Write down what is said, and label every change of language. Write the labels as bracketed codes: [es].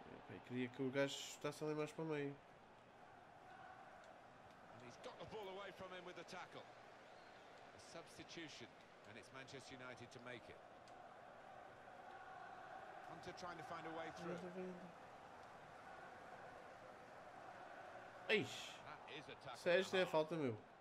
[pt] Eu queria que o gajo estivesse ali mais para o meio. [en] And he's got the ball away from him with the tackle. A substitution and it's Manchester United to make it. Hunter trying to find a way through. [pt] Eish, Sérgio tem a falta, meu.